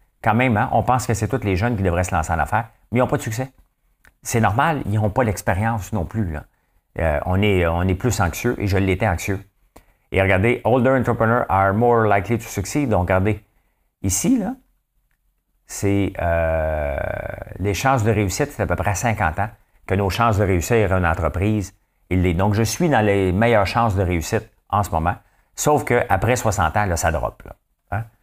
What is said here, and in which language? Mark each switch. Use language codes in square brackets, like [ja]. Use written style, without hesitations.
[fr] Quand même, hein, on pense que c'est tous les jeunes qui devraient se lancer en affaires, mais ils n'ont pas de succès. C'est normal, ils n'ont pas l'expérience non plus. Là. On est plus anxieux, et je l'étais anxieux. Et regardez, [en] older entrepreneurs are more likely to succeed. [fr] Donc, regardez, ici, là, c'est les chances de réussite, c'est à peu près 50 ans que nos chances de réussir une entreprise, il l'est. Donc, je suis dans les meilleures chances de réussite en ce moment. Sauf qu'après 60 ans, là, ça drop. Là. Hein?